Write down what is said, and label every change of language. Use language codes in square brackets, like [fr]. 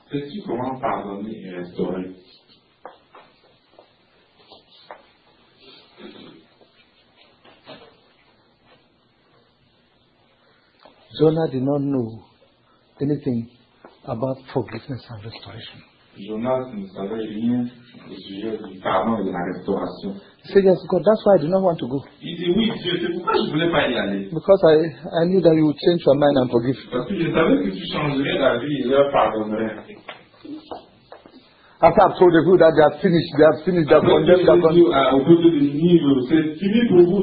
[fr] Sais-tu comment pardonner et restaurer? [en] Jonah did not know anything about forgiveness and restoration. [fr] Jonah ne savait rien au sujet du pardon et de la restauration. [en] He said, yes, God, that's why I did not want to go. [fr] Il dit, oui, Dieu, c'est pourquoi je ne voulais pas y aller. [en] Because I knew that you would change your mind and forgive. [fr] Parce que je savais que tu changerais la vie et leur pardonnerais. [en] After I've told you that they have finished, they have condemned, they have gone. [fr] Au bout de Nineveh, c'est fini pour vous.